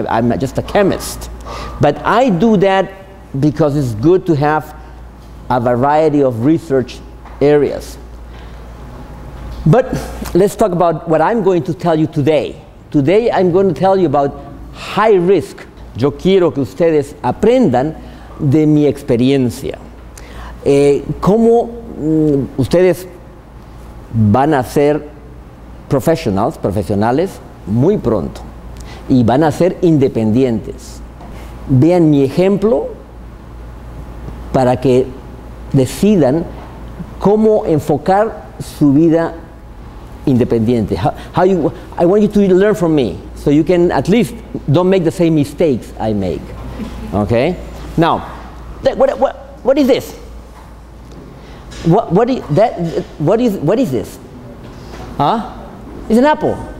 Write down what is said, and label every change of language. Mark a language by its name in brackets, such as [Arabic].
[English] I'm just a chemist. But I do that because it's good to have a variety of research areas. But let's talk about what I'm going to tell you today. Today I'm going to tell you about high risk. [Spanish] Yo quiero que ustedes aprendan de mi experiencia. ¿Cómo ustedes van a ser profesionales muy pronto? Y van a ser independientes. Vean mi ejemplo para que decidan cómo enfocar su vida independiente. [English] I want you to learn from me, so you can at least don't make the same mistakes I make. Okay? Now, what is this? What is this? Huh? It's an apple.